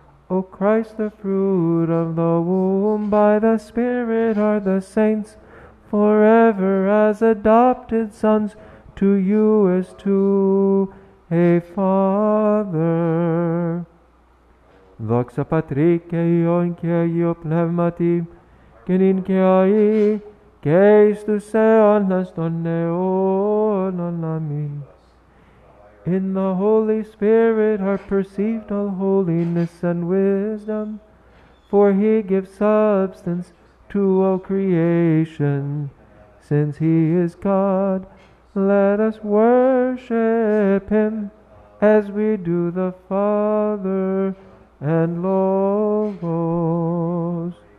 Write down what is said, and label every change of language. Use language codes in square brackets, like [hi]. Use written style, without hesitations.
[en] O Christ, the fruit of the womb, by the Spirit are the saints, forever as adopted sons, to you as to a Father. [el] Δόξα Πατρί και Υιόν και Αγίω Πνεύματι, και νυν και αεί, και εις τους αιώνας των αιώνων. Αμήν. [en] In the Holy Spirit are perceived all holiness and wisdom, for he gives substance to all creation. Since he is God, let us worship him as we do the Father and Logos.